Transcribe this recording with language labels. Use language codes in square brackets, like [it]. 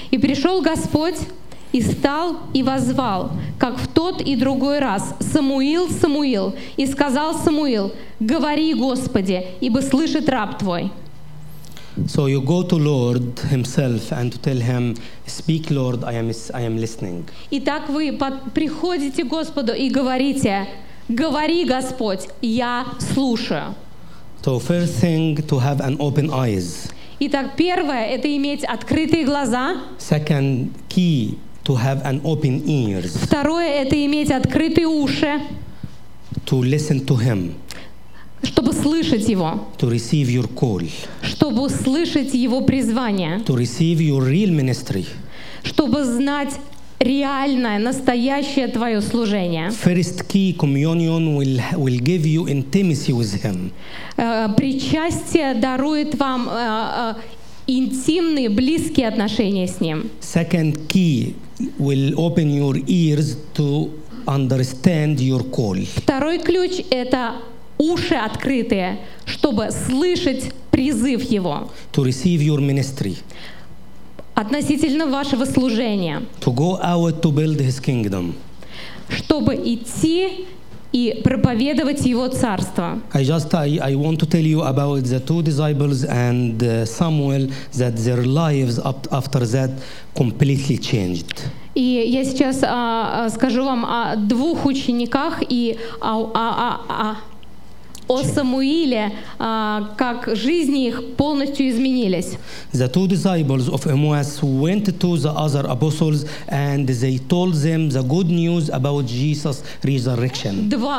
[ru] И пришел Господь и стал и воззвал, как в тот и другой раз: Самуил, Самуил. И сказал Самуил: Говори, Господи, ибо слышит раб твой. [en] So you go to Lord himself and to tell him, speak, Lord, I am listening. [ru] Итак, вы приходите к Господу и говорите: Говори, Господь, я слушаю. [en] So first thing, to have an open eyes. [ru] Итак, первое — это иметь открытые глаза. [en] Second key — to have an open ears. [ru] Второе — это иметь открытые уши. [en] To listen to him. [ru] Чтобы слышать его. [en] To receive your call. [ru] Чтобы услышать его призвание. [en] To receive your real ministry. [ru] Чтобы знать реальное, настоящее твое служение. [en] First key, communion will give you intimacy with him. [ru] Причастие дарует вам интимные, близкие отношения с ним. [en] Second key will open your ears to understand your call. [ru] Второй ключ — это уши открытые, чтобы слышать призыв его. [en] To receive your ministry. [ru] Относительно вашего служения. [en] To go out to build his kingdom. [ru] Чтобы идти и проповедовать его царство. [en] I want to tell you about the two disciples and Samuel, that their lives after that completely changed. [ru] И я сейчас скажу вам о двух учениках и о Самуиле, как жизни их полностью изменились. [en] The two disciples of Emmaus went to the other apostles and they told them the good news about Jesus' resurrection.